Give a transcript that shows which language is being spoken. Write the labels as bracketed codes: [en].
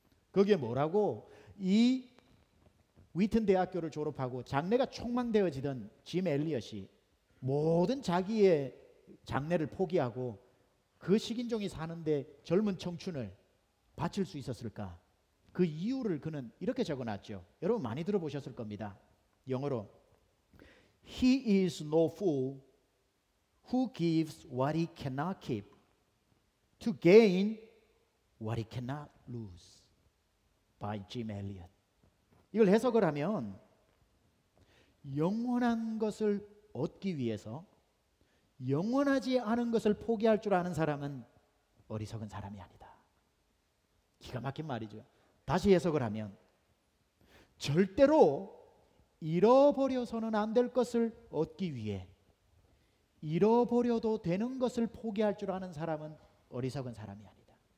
[ko] 거기에 뭐라고, 이 위튼 대학교를 졸업하고 장래가 촉망되어지던 짐 엘리엇이 모든 자기의 장래를 포기하고 그 식인종이 사는데 젊은 청춘을 바칠 수 있었을까, 그 이유를 그는 이렇게 적어놨죠. 여러분 많이 들어보셨을 겁니다. 영어로 [en] He is no fool who gives what he cannot keep to gain what he cannot lose by Jim Elliot. [ko] 이걸 해석을 하면 영원한 것을 얻기 위해서 영원하지 않은 것을 포기할 줄 아는 사람은 어리석은 사람이 아니다. 기가 막힌 말이죠. 다시 해석을 하면 절대로 잃어버려서는 안 될 것을 얻기 위해 잃어버려도 되는 것을 포기할 줄 아는 사람은 어리석은 사람이 아니다.